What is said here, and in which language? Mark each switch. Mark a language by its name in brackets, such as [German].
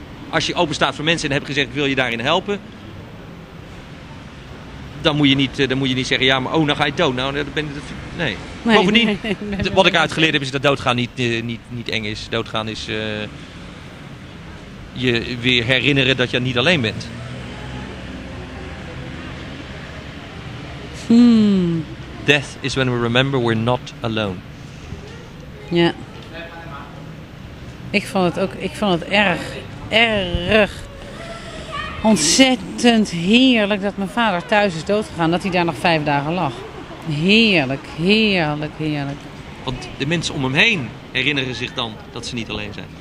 [Dutch] Als je open staat voor mensen en hebt gezegd, wil je daarin helpen, dan moet je niet zeggen, ja, maar oh, dan ga je dood. Nou, dan ben je de, nee. Bovendien, wat ik uitgeleerd heb, is dat doodgaan niet eng is. Doodgaan is je weer herinneren dat je niet alleen bent. [English] Death is when we remember we're not alone. [Dutch] Ja. Ik vond het ook, erg, erg ontzettend heerlijk dat mijn vader thuis is doodgegaan. Dat hij daar nog 5 dagen lag. Heerlijk, heerlijk, heerlijk. Want de mensen om hem heen herinneren zich dan dat ze niet alleen zijn.